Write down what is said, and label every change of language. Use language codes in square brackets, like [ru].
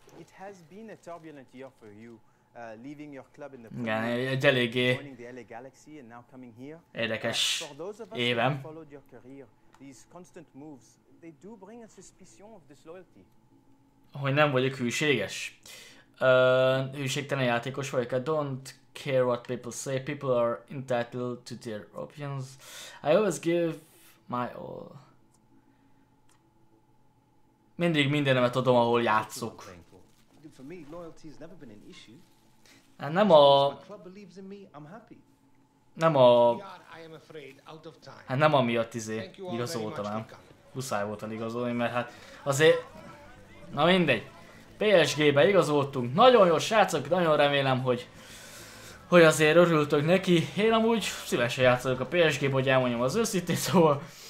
[en] It has been a turbulent year for you, leaving your club in the Premier League, joining the LA Galaxy and now coming here. [hu] Érdekes évem. [en] Followed your career, these constant moves, they do bring a suspicion of disloyalty. [hu] Hogy nem vagyok hűséges. Hűségtelen játékos vagyok. [en] I don't care what people say. People are entitled to their opinions. I always give my all. [hu] Mindig mindenemet adom, ahol játszok. [en] For me, loyalty has never been an issue. And nem a... My club believes in me, I'm happy. Nem a... I am afraid, out of time. [hu] Hát nem amiatt izé igazoltam el. Muszáj voltam igazolni, mert hát azért... Na mindegy. PSG-be igazoltunk. Nagyon jó srácok, nagyon remélem, hogy... hogy azért örültök neki. Én amúgy szívesen játszolok a PSG-ben, hogy elmondjam az őszintén, szóval...